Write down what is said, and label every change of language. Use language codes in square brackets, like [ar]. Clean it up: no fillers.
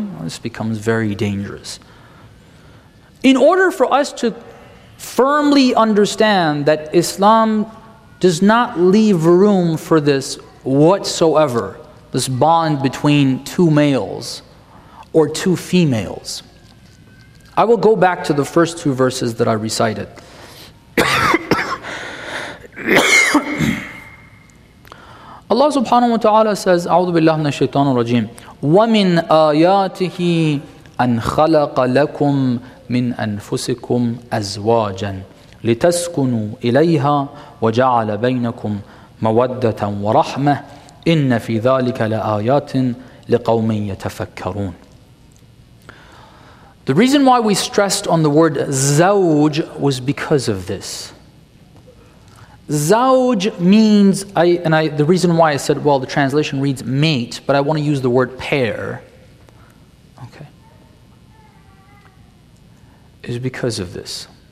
[en] Well, this becomes very dangerous. In order for us to firmly understand that Islam does not leave room for this whatsoever, this bond between two males or two females, I will go back to the first two verses that I recited. [ar] Allah subhanahu wa ta'ala [en] says, [ar] أعوذ بالله من الشيطان الرجيم وَمِنْ آيَاتِهِ أَنْ خَلَقَ لَكُمْ مِنْ أَنْفُسِكُمْ أَزْوَاجًا لِتَسْكُنُوا إِلَيْهَا وَجَعَلَ بَيْنَكُمْ مَوَدَّةً وَرَحْمَةً إِنَّ فِي ذَلِكَ لَآيَاتٍ لِقَوْمٍ يَتَفَكَّرُونَ. [en] The reason why we stressed on the word زوج was because of this. Zawj means, the reason why I said, well, the translation reads mate, but I want to use the word pair, okay, is because of this.